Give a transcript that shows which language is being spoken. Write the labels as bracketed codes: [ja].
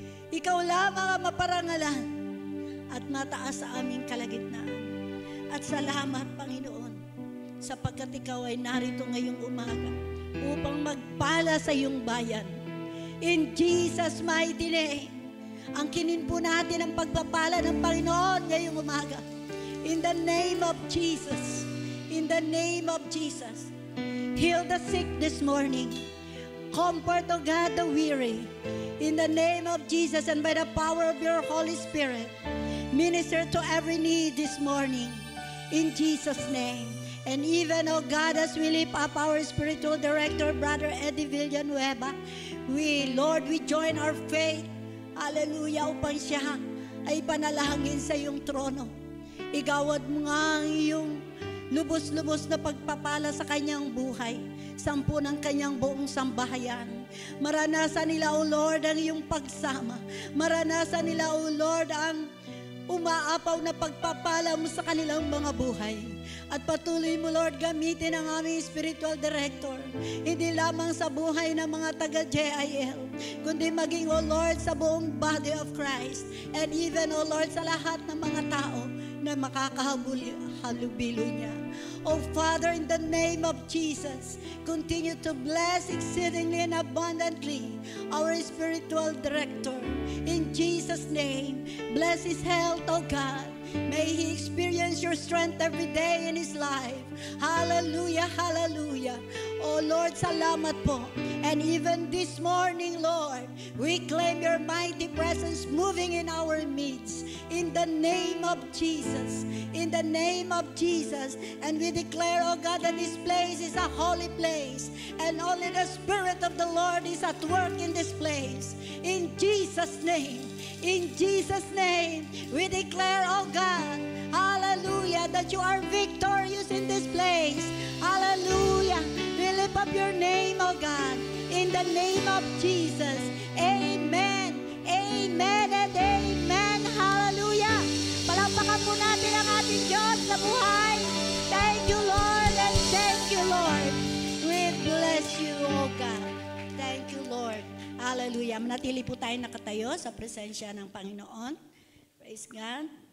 [tl] Ikaw lamang ang maparangalan at mataas sa aming kalagitnaan. At salamat, Panginoon, sapagkat ikaw ay narito ngayong umaga upang magpala sa iyong bayan. [en] In Jesus' mighty name, [tl] ang kinin po natin ang pagpapala ng Panginoon ngayong umaga. [en] In the name of Jesus, in the name of Jesus, heal the sick this morning. Comfort, O God, the weary. In the name of Jesus and by the power of your Holy Spirit, minister to every need this morning. In Jesus' name. And even, O God, as we lift up our spiritual director, Brother Eddie Villanueva, we join our faith. [tl] Hallelujah, upang siya ay panalangin sa iyong trono. Igawad mo nga ang iyong lubos-lubos na pagpapala sa kanyang buhay, sampu ng kanyang buong sambahayan. Maranasan nila, O Lord, ang iyong pagsama. Maranasan nila, O Lord, ang umaapaw na pagpapala mo sa kanilang mga buhay. At patuloy mo, Lord, gamitin ang aming spiritual director, hindi lamang sa buhay ng mga taga-JIL, kundi maging, O Lord, sa buong [en] body of Christ, and even, O Lord, [tl] sa lahat ng mga tao na makakahalubilo niya. [en] O Father, in the name of Jesus, continue to bless exceedingly and abundantly our spiritual director. In Jesus' name, bless his health, O God. May he experience your strength every day in his life. Hallelujah, hallelujah. Oh Lord, [tl] salamat po. [en] And even this morning, Lord, we claim your mighty presence moving in our midst. In the name of Jesus. In the name of Jesus. And we declare, oh God, that this place is a holy place. And only the Spirit of the Lord is at work in this place. In Jesus' name. In Jesus' name, we declare, oh God, hallelujah, that you are victorious in this place. Hallelujah. We lift up your name, oh God, in the name of Jesus. Amen, amen, and amen. Hallelujah. [tl] Palapakan po natin ang ating Diyos sa buhay. [en] Thank you, Lord, and thank you, Lord. We bless you, oh God. Thank you, Lord. Hallelujah. [tl] Manatili po tayo nakatayo sa presensya ng Panginoon. [en] Praise God.